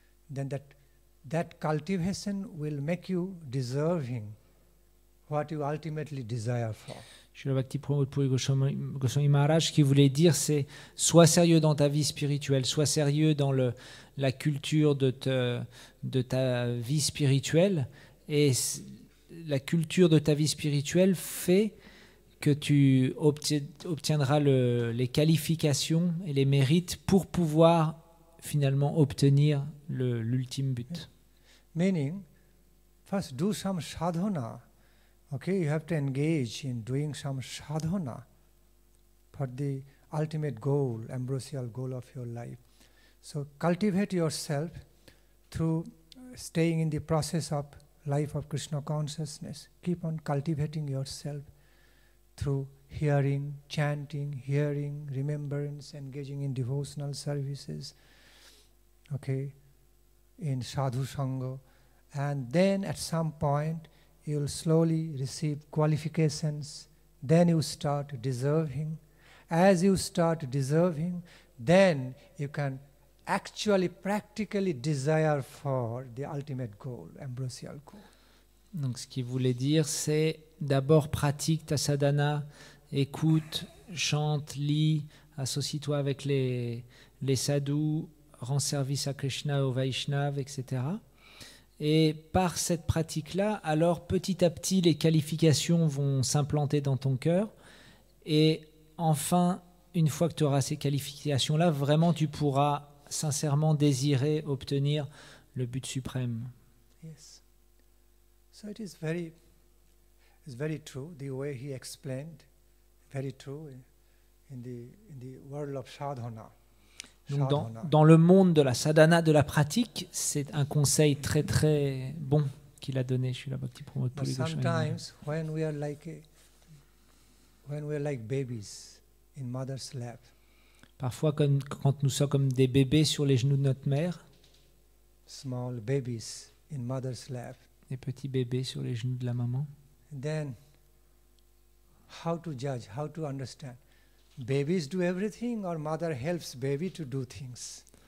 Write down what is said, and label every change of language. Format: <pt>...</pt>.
<en>Then that cultivation will make you deserving what you ultimately desire for.</en> <fr>Srila Bhakti Pramod Puri Goswami Maharaj, ce qu'il voulait dire, c'est sois sérieux dans ta vie spirituelle, sois sérieux dans la culture de ta vie spirituelle, et la culture de ta vie spirituelle fait que tu obtiendras les qualifications et les mérites pour pouvoir finalement obtenir l'ultime but.</fr> <en>Meaning, first do some sadhana. Okay, you have to engage in doing some sadhana for the ultimate goal, ambrosial goal of your life. So cultivate yourself through staying in the process of life of Krishna consciousness. Keep on cultivating yourself through hearing, chanting, hearing, remembrance, engaging in devotional services, okay, in sadhu sangha. And then at some point, you'll slowly receive qualifications. Then you start deserving. As you start deserving, then you can actually practically desire for the ultimate goal, ambrosial goal.</en> <fr>Donc ce qu'il voulait dire, c'est d'abord pratique ta sadhana, écoute, chante, lis, associe-toi avec les sadhus, rends service à Krishna, au Vaishnava, etc. Et par cette pratique-là, alors petit à petit, les qualifications vont s'implanter dans ton cœur. Et enfin, une fois que tu auras ces qualifications-là, vraiment, tu pourras sincèrement désirer obtenir le but suprême.</fr> <en>Yes. So it is very, it's very true. The way he explained, very true in the world of sadhana.</en> <fr>Donc dans le monde de la sadhana, de la pratique, c'est un conseil très très bon qu'il a donné. Je suis là, Bhakti Pramod Puri Goswami.</fr> <en>Sometimes when we are like babies in mother's lap.</en> <fr>Parfois, quand nous sommes comme des bébés sur les genoux de notre mère.</fr> <en>Small babies in mother's lap.</en> <fr>Des petits bébés sur les genoux de la maman.</fr> <en>Then, how to judge? How to understand? Babies do everything, or mother helps baby to do things.</en>